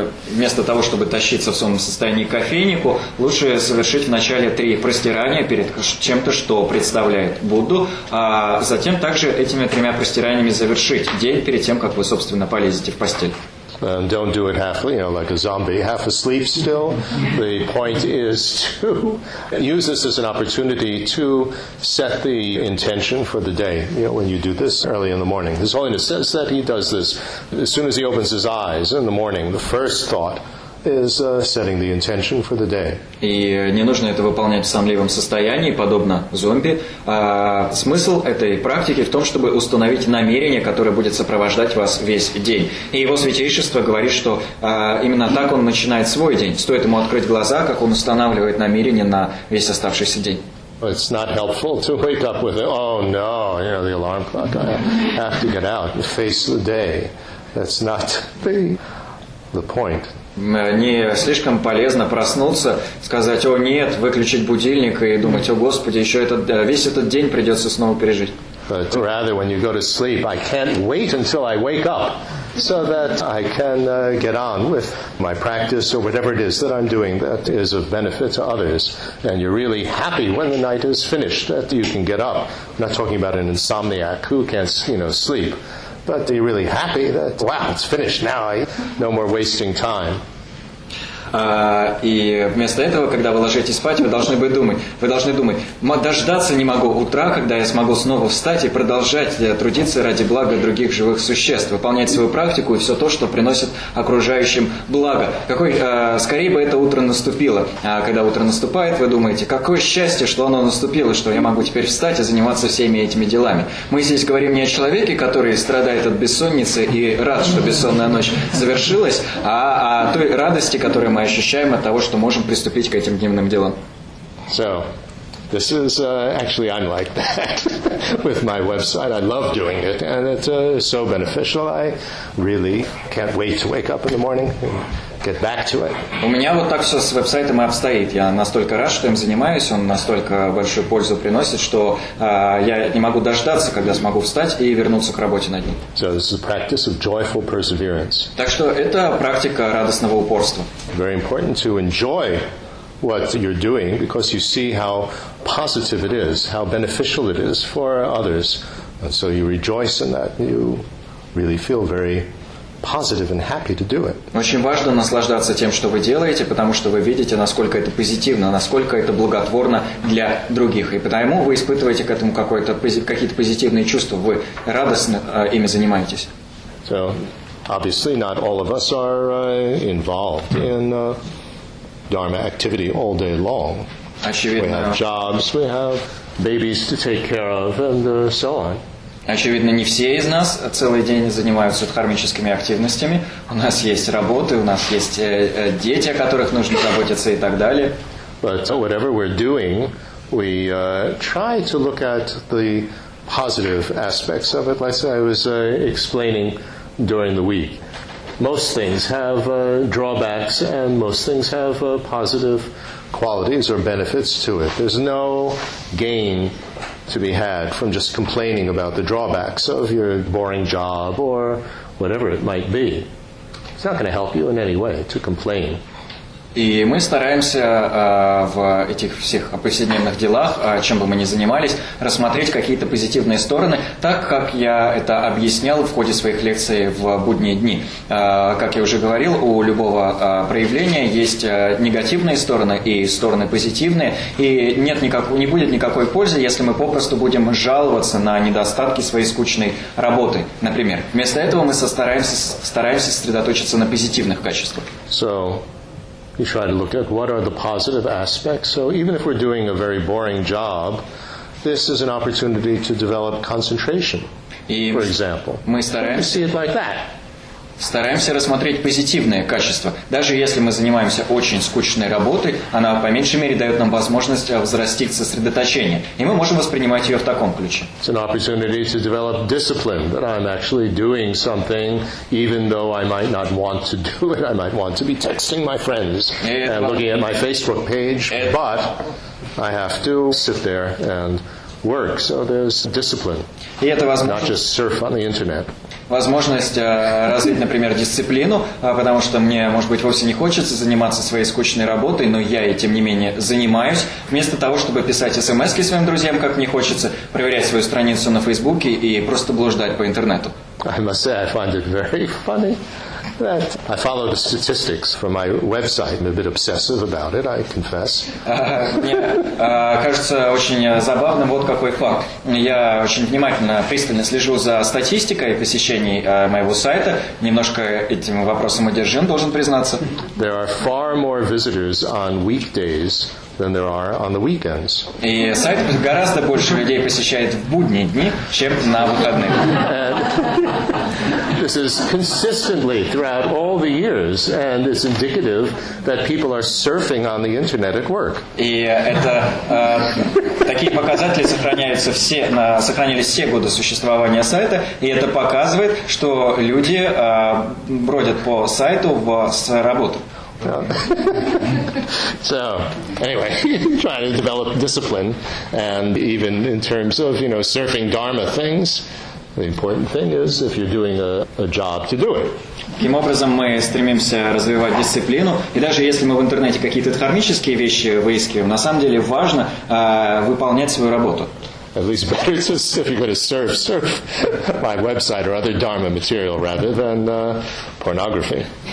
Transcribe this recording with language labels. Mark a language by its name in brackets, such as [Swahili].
[Russian] Вместо того, чтобы тащиться в сонном состоянии к кофейнику, лучше совершить вначале три простирания перед чем-то, что представляет Будду, а затем также этими тремя простираниями завершить день перед тем, как вы, собственно, полезете в постель. [English] Don't do it half, you know, like a zombie, half asleep still. The point is to use this as an opportunity to set the intention for the day, you know, when you do this early in the morning. His Holiness says that he does this as soon as he opens his eyes in the morning. The first thought is setting the intention for the day. [Russian] И не нужно это выполнять в сонливом состоянии, подобно зомби. Смысл этой практики в том, чтобы установить намерение, которое будет сопровождать вас весь день. И его святейшество говорит, что именно так он начинает свой день. Стоит ему открыть глаза, как он устанавливает намерение на весь оставшийся день. [English] It's not helpful to wake up with, oh no, you know, the alarm clock, I have to get out and face the day. That's not the point. [Russian] Не слишком полезно проснуться, сказать: «О нет», выключить будильник и думать: «О Господи, еще этот, весь этот день придется снова пережить». [English] But rather, when you go to sleep, I can't wait until I wake up so that I can get on with my practice or whatever it is that I'm doing that is of benefit to others. And you're really happy when the night is finished that you can get up. I'm not talking about an insomniac who can't, you know, sleep. But you're really happy that, wow, it's finished now. No more wasting time. [Russian] И вместо этого, когда вы ложитесь спать, вы должны думать, дождаться не могу утра, когда я смогу снова встать и продолжать трудиться ради блага других живых существ, выполнять свою практику и все то, что приносит окружающим благо. Скорее бы это утро наступило. Когда утро наступает, вы думаете: какое счастье, что оно наступило, что я могу теперь встать и заниматься всеми этими делами. Мы здесь говорим не о человеке, который страдает от бессонницы и рад, что бессонная ночь завершилась, а о той радости, которая мы ощущаем от того, что можем приступить к этим дневным делам. [English] So, this is actually I'm like that with my website. I love doing it, and it's so beneficial. I really can't wait to wake up in the morning and get back to it. [Russian] У меня вот так все с веб-сайтом и обстоит. Я настолько рад, что им занимаюсь, он настолько большую пользу приносит, что я не могу дождаться, когда смогу встать и вернуться к работе над ним. [English] So this is a practice of joyful perseverance. [Russian] Так что это практика радостного упорства. [English] Very important to enjoy what you're doing because you see how positive it is, how beneficial it is for others. And so you rejoice in that. You really feel very positive and happy to do it. [Russian] Очень важно наслаждаться тем, что вы делаете, потому что вы видите, насколько это позитивно, насколько это благотворно для других. И потому вы испытываете к этому какие-то позитивные чувства, вы радостно ими занимаетесь. [English] So, obviously, not all of us are involved in dharma activity all day long. [Russian] Очевидно. [English] We have jobs, we have babies to take care of, and so on. [Russian] Очевидно, не все из нас целый день занимаются дхармическими активностями. У нас есть работы, у нас есть дети, о которых нужно заботиться и так далее. [English] But whatever we're doing, we try to look at the positive aspects of it. Like I was explaining during the week. Most things have drawbacks and most things have positive qualities or benefits to it. There's no gain to be had from just complaining about the drawbacks of your boring job or whatever it might be. It's not going to help you in any way to complain. [Russian] И мы стараемся в этих всех повседневных делах, чем бы мы ни занимались, рассмотреть какие-то позитивные стороны, так как я это объяснял в ходе своих лекций в будние дни. Как я уже говорил, у любого проявления есть негативные стороны и стороны позитивные, и не будет никакой пользы, если мы попросту будем жаловаться на недостатки своей скучной работы, например. Вместо этого мы стараемся сосредоточиться на позитивных качествах. [English] So you try to look at what are the positive aspects. So even if we're doing a very boring job, this is an opportunity to develop concentration, for example. [Russian] Мы стараемся [English] see it like that. [Russian] Стараемся рассмотреть позитивные качества. Даже если мы занимаемся очень скучной работой, она по меньшей мере дает нам возможность взрастить сосредоточение. И мы можем воспринимать ее в таком ключе. [English] It's an opportunity to develop discipline, that I'm actually doing something, even though I might not want to do it. I might want to be texting my friends and looking at my Facebook page, but I have to sit there and work. So there's discipline. [Russian] И это возможно. [English] Not just surf on the internet. [Russian] Возможность развить, например, дисциплину, потому что мне, может быть, вовсе не хочется заниматься своей скучной работой, но я, тем не менее, занимаюсь. Вместо того, чтобы писать смс-ки своим друзьям, как мне хочется, проверять свою страницу на Фейсбуке и просто блуждать по интернету. [English] I must say, I find it very funny that I follow the statistics from my website. I'm a bit obsessive about it, I confess. [Russian] Мне кажется очень забавным вот какой факт. Я очень внимательно, пристально слежу за статистикой посещений моего сайта. Немножко этим вопросом одержим, должен признаться. [English] There are far more visitors on weekdays than there are on the weekends. [Russian] И сайт гораздо больше людей посещает в будние дни, чем на выходных. [English] This is consistently throughout all the years, and it's indicative that people are surfing on the internet at work. [Russian] И это такие показатели сохраняются все, сохранились все годы существования сайта, и это показывает, что люди бродят по сайту в работу. [English] So, anyway, trying to develop discipline, and even in terms of, you know, serving Dharma things, the important thing is if you're doing a job to do it. [Russian] Таким образом, мы стремимся развивать дисциплину, и даже если мы в интернете какие-то дхармические вещи выискиваем, на самом деле важно выполнять свою работу. [English] At least better to, if you're going to surf my website or other Dharma material rather than pornography.